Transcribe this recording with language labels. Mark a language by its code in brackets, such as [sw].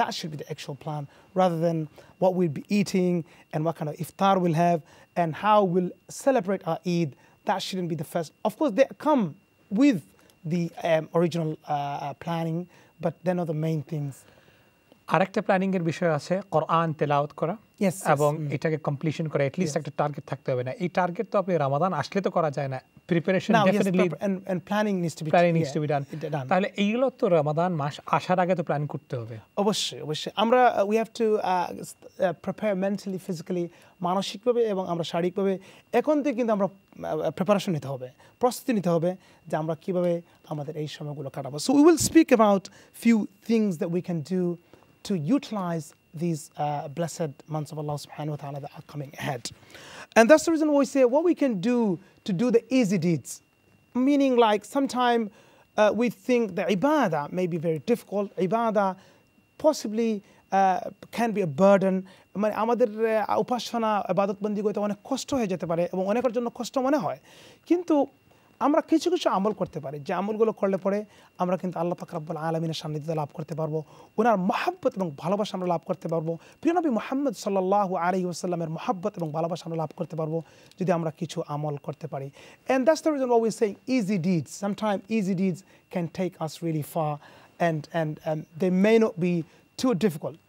[en] That should be the actual plan, rather than what we'll be eating and what kind of iftar we'll have and how we'll celebrate our Eid. That shouldn't be the first. Of course, they come with the original planning, but they're not the main things. [bn] আরেকটা planning এর বিষয় আছে কোরআন তেলাওয়াত করা [en] yes [bn] এবং এটাকে completion করা [en] at least [bn] একটা টার্গেট থাকতে হবে না এই টার্গেট তো আপনি রমাদান আসলে তো করা যায় না preparation [en] Now, definitely yes, and planning needs to be planning needs to be done [bn] তাহলে এইগুলো তো রমাদান মাস আসার আগে তো প্ল্যান করতে হবে অবশ্যই অবশ্যই আমরা [en] we have to prepare mentally physically [bn] মানসিক ভাবে এবং আমরা শারীরিক ভাবে এখন থেকে কিন্তু আমরা preparation নিতে হবে প্রস্তুতি নিতে হবে যে আমরা কিভাবে আমাদের এই সময়গুলো কাটাবো [en] so we will speak about few things that we can do to utilize these blessed months of Allah subhanahu wa ta'ala that are coming ahead. And that's the reason why we say what we can do to do the easy deeds. Meaning like sometime we think the ibadah may be very difficult. Ibadah possibly can be a burden. [bn] মানে আমাদের উপাসনা ইবাদত বন্দি করতে অনেক কষ্ট হয়ে যেতে পারে এবং অনেকের জন্য কষ্ট মনে হয় কিন্তু আমরা কিছু কিছু আমল করতে পারি যে আমলগুলো করলে পরে আমরা কিন্তু আল্লাহ পাক রব্বুল আলামিনের সান্নিধ্য লাভ করতে পারবো ওনার মহব্বত এবং ভালোবাসা আমরা লাভ করতে পারবো প্রিয় নবী মুহাম্মদ সাল্লাল্লাহু আলাইহি ওয়াসাল্লামের মহব্বত এবং ভালোবাসা আমরা লাভ করতে পারবো যদি আমরা কিছু আমল করতে পারি [en] and that's the reason why we saying easy deeds sometime easy deeds can take us really far and they may not be too difficult